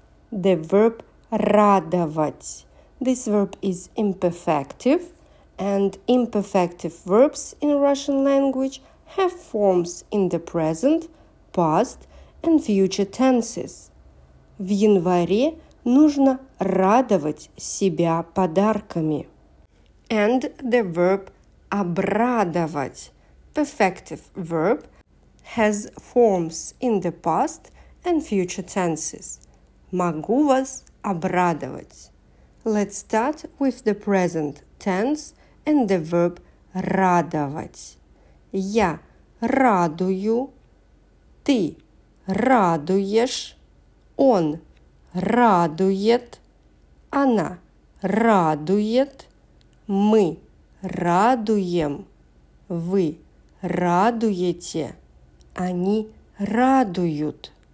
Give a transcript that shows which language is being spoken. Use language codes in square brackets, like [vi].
[en] The verb радовать. This verb is imperfective, and imperfective verbs in Russian language have forms in the present, past, and future tenses. [ru] В январе нужно радовать себя подарками. [en] And the verb обрадовать. Perfective verb has forms in the past and future tenses. [ru] Могу вас обрадовать. [en] Let's start with the present tense and the verb радовать. [ru] Я радую, ты радуешь, он радует, она радует, мы радуем, вы радуете, они радуют.